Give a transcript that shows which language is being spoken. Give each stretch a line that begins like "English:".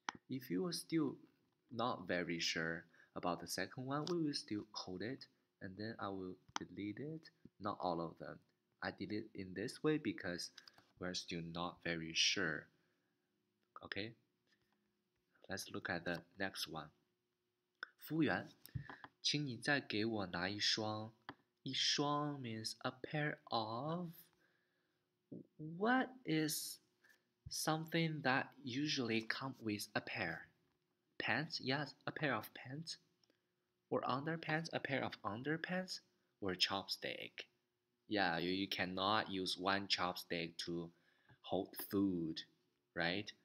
English: If you are still not very sure about the second one, we will still hold it, and then I will delete it, not all of them. I did it in this way because we're still not very sure. Okay, let's look at the next one.
Chinese: 服务员请你再给我拿一双。
English: 一双 means a pair of. What is something that usually comes with a pair? Pants? Yes, a pair of pants. Or underpants? A pair of underpants? Or chopstick? Yeah, you cannot use one chopstick to hold food, right?